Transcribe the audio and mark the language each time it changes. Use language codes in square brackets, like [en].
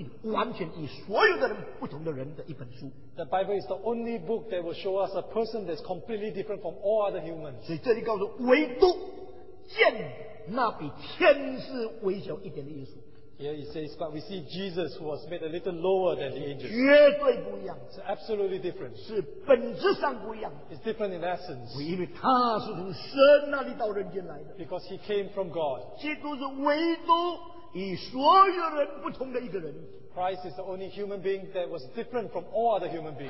[zh] 提到一个叫我们不得不注意完全以所有的人不同的人的一本书。 [en] The Bible is the only book that will show us a person that's completely different from all other humans. [zh] 所以这里告诉唯独见那比天使微小一点的耶稣。 [en] Here he says, but we see Jesus who was made a little lower than the angels. [zh] 绝对不一样, [en] it's absolutely different. [zh] 是本质上不一样, [en] it's different in essence. [zh] 因为他是从神那里到人间来的, [en] because he came from God. [zh] 基督是唯独以所有人不同的一个人。 [en] Christ is the only human being that was different from all other human beings.